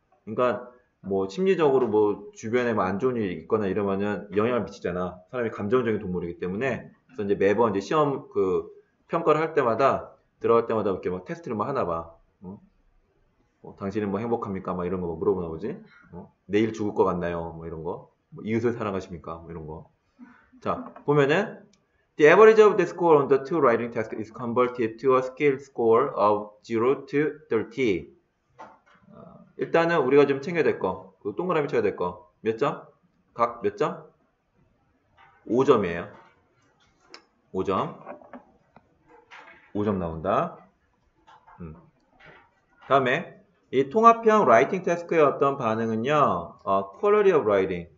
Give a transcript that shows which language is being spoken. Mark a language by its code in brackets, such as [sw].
[ko] 그러니까 뭐 심리적으로 뭐 주변에 뭐안 좋은 일이 있거나 이러면은 영향을 미치잖아. 사람이 감정적인 동물이기 때문에 그래서 이제 매번 이제 시험 그 평가를 할 때마다 들어갈 때마다 이렇게 막 테스트를 뭐 하나 봐. 당신은 뭐 행복합니까? 막 이런 거 물어보나 보지. 내일 죽을 것 같나요? 뭐 이런 거. 뭐 이웃을 사랑하십니까? 뭐 이런 거. 자 보면은 [en] The average of the score on the two writing tasks is converted to a skill score of 0 to 30. [ko] 일단은 우리가 좀 챙겨야 될 거, 그 동그라미 쳐야 될 거, 몇 점? 각몇 점? 5점이에요. 5점. 5점 나온다. 다음에 이 통합형 라이팅 태스크의 어떤 반응은요, [en] quality of writing.